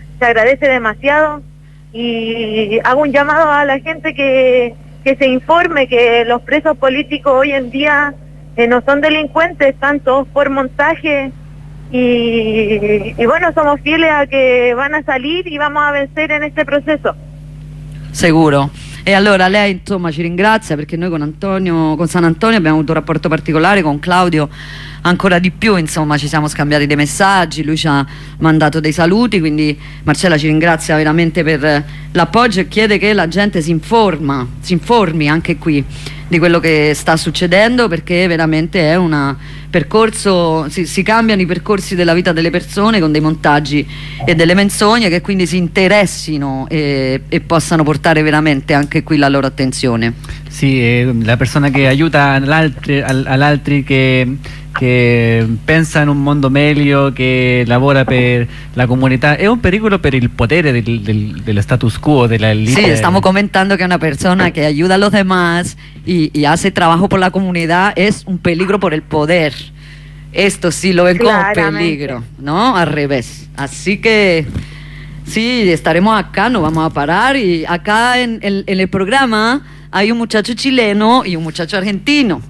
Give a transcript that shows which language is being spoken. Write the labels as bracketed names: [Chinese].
[Spanish] Se agradece demasiado y hago un llamado a la gente que se informe que los presos políticos hoy en día no son delincuentes, están todos por montaje. Y bueno, somos fieles a que van a salir y vamos a vencer en este proceso. Seguro. [Italian] E allora lei insomma ci ringrazia, perché noi con Antonio, con San Antonio abbiamo avuto un rapporto particolare, con Claudio ancora di più, insomma ci siamo scambiati dei messaggi, lui ci ha mandato dei saluti, quindi Marcella ci ringrazia veramente per l'appoggio e chiede che la gente si informi anche qui di quello che sta succedendo, perché veramente è un percorso, si cambiano i percorsi della vita delle persone con dei montaggi e delle menzogne, che quindi si interessino e possano portare veramente anche qui la loro attenzione. Sì, la persona che aiuta all'altri che pensa in un mondo meglio, che lavora per la comunità, è un pericolo per il potere del status quo, della elite. Sì, stiamo commentando che una persona che aiuta [Spanish] los demás y hace trabajo por la comunidad es un peligro por el poder. Esto sí lo ven como peligro, ¿no? Al revés. Así que sí, estaremos acá, no vamos a parar. Y acá en el programa hay un muchacho chileno y un muchacho argentino.